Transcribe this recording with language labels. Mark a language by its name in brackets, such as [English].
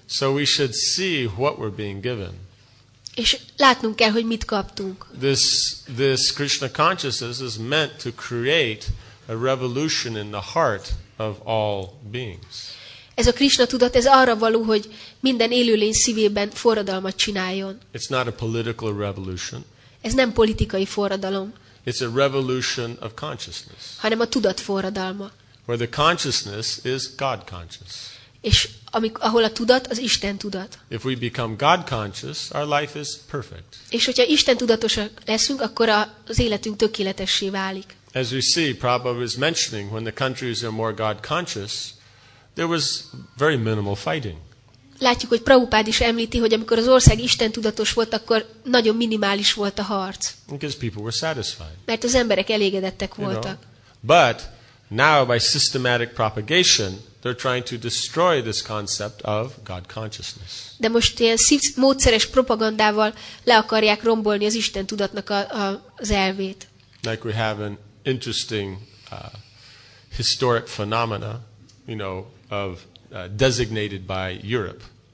[English] So we should see what we're being given. [Hungarian] És látnunk kell, hogy mit kaptunk. [English] This Krishna consciousness is meant to create a revolution in the heart of all beings. [Hungarian] Ez a Krishna tudat, ez arra való, hogy minden élőlény szívében forradalmat csináljon. [English] It's not a political revolution. [Hungarian] Ez nem politikai forradalom. [English] It's a revolution of consciousness. [Hungarian] Hanem a tudat forradalma. [English] Where the consciousness is God conscious. [Hungarian] És ahol a tudat, az Isten tudat. [English] If we become God conscious, our life is perfect. [Hungarian] És hogyha Isten tudatosak leszünk, akkor az életünk tökéletessé válik. [English] As we see, Prabhupada is mentioning, when the countries are more God conscious, there was very minimal fighting. [Hungarian] Látjuk, hogy Prabhupád is említi, hogy amikor az ország Isten tudatos volt, akkor nagyon minimális volt a harc. [English] Because people were satisfied. [Hungarian] Mert az emberek elégedettek voltak. [English] You know? But now by systematic propagation, they're trying to destroy this concept of God consciousness. [Hungarian] De most ilyen módszeres propagandával le akarják rombolni az Isten tudatnak az elvét. [English] Like we have an interesting historic phenomena, you know, of designated by Europe.